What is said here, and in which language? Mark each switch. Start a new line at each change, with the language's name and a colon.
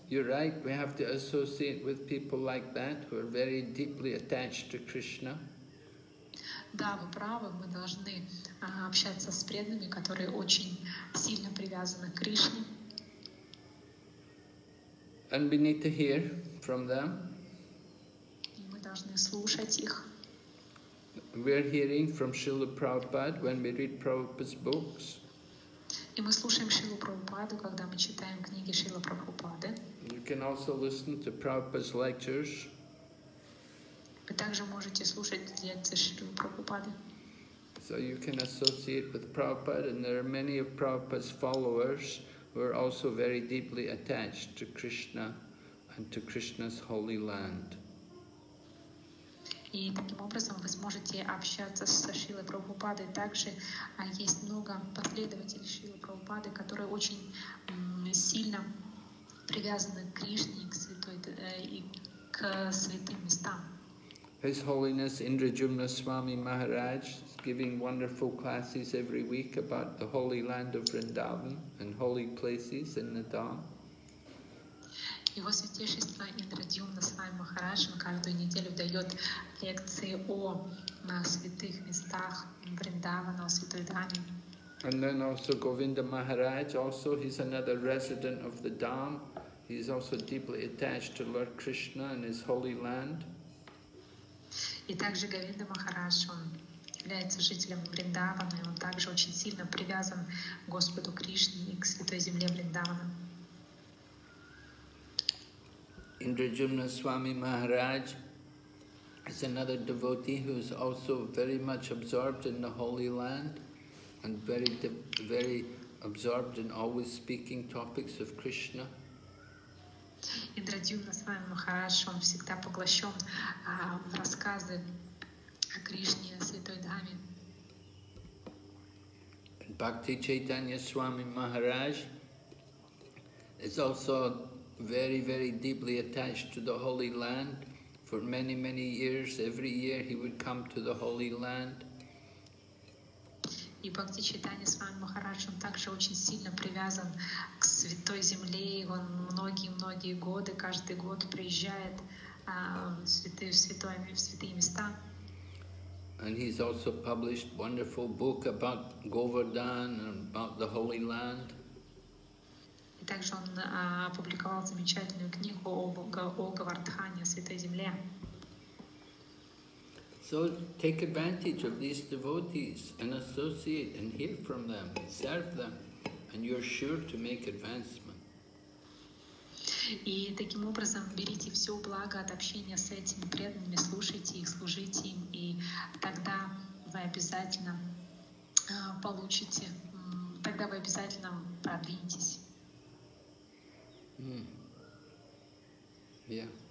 English: You're right, we have to associate with people like that who are very deeply attached to Krishna.
Russian: Да, вы правы, мы должны общаться с преданными, которые очень сильно привязаны к Кришне.
English: And we need to hear from them.
Russian: И мы должны слушать их.
English: We're hearing from Srila Prabhupada when we read Prabhupada's books.
Russian: И мы слушаем Шрилу Прабхупаду, когда мы читаем книги Шрилы Прабхупады.
English: You can also listen to Prabhupada's lectures.
Russian: Вы также можете слушать лекции Шрилы Прабхупады.
English: So you can associate with Prabhupada, and there are many of Prabhupada's followers who are also very deeply attached to Krishna and to Krishna's holy land.
Russian: И таким образом вы сможете общаться со Шрилой Прабхупадой. Также есть много последователей Шрилы Прабхупады, которые очень сильно привязаны к Кришне и к святым местам.
English: His Holiness Indrajumna Swami Maharaj is giving wonderful classes every week about the holy land of Vrindavan and holy places in the Dham.
Russian: Его святейшество Индрадьюмна Свами Махарадж каждую неделю дает лекции о святых местах Вриндавана, о святой Дхаме.
English: And then also Govinda Maharaj, also he's another resident of the Dham. He's also deeply attached to Lord Krishna and his holy land.
Russian: И также Говинда Махарадж, он является жителем Вриндавана, и он также очень сильно привязан к Господу Кришне и к святой земле Вриндавана.
English: Indrajumna Swami Maharaj is another devotee who is also very much absorbed in the holy land and very very absorbed in always speaking topics of Krishna.
Russian: Индрадьюна с вами Махарадж, он всегда поглощен в рассказы о Кришне, о Святой Даме.
English: Бхакти Чайтанья Свами Махарадж is also very, very deeply attached to the Holy Land. For many, many years, every year he would come to the Holy Land.
Russian: И Бхакти Чайтанья Свами Махарадж, он также очень сильно привязан к Святой Земле, и он многие-многие годы, каждый год приезжает в святые места.
English: And he's also published wonderful book about Govardhan and about the Holy Land.
Russian: И также он опубликовал замечательную книгу о Говардхане, о Святой Земле.
English: So take advantage of these devotees and associate and hear from them, serve them, and you're sure to make advancement.
Russian: И таким образом берите все благо от общения с этими преданными, слушайте их, служите им, и тогда вы обязательно получите, тогда вы обязательно продвинетесь. Mm. Yeah.